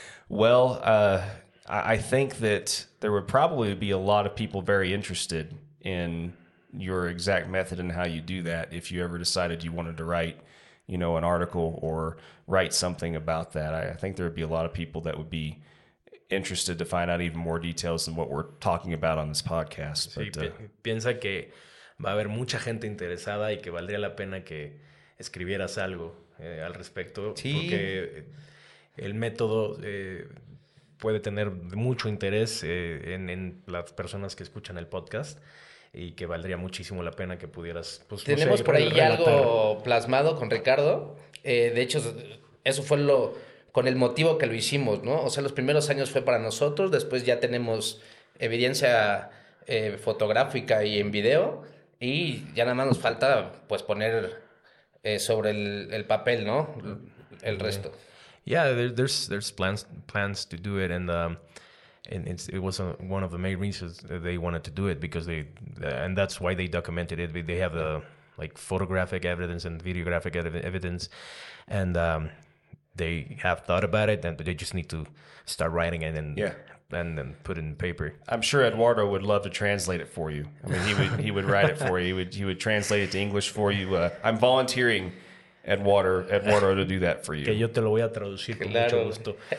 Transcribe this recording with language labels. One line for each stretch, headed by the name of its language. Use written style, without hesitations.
English: Well, I think that there would probably be a lot of people very interested in your exact method and how you do that if you ever decided you wanted to write, you know, an article or write something about that. I think there would be a lot of people that would be interested to find out even more details than what we're talking about on this podcast.
Spanish: Sí, but, piensa que... Va a haber mucha gente interesada y que valdría la pena que escribieras algo al respecto. Sí. Porque el método puede tener mucho interés en las personas que escuchan el podcast y que valdría muchísimo la pena que pudieras... Pues, tenemos por ahí relatar. Algo plasmado con Ricardo. De hecho, eso fue lo con el motivo que lo hicimos, ¿no? O sea, los primeros años fue para nosotros, después ya tenemos evidencia fotográfica y en video... Y ya nada más nos falta, pues, poner sobre el papel, ¿no? El resto.
English: Yeah, there's plans to do it, and it was one of the main reasons that they wanted to do it, because and that's why they documented it. They have the like photographic evidence and videographic evidence, and they have thought about it, and they just need to start writing it. And then put it in paper. I'm sure Eduardo would love to translate it for you. I mean, he would write it for you. He would translate it to English for you. I'm volunteering Eduardo to do that for you.
Spanish: Que yo te lo voy a traducir con mucho gusto.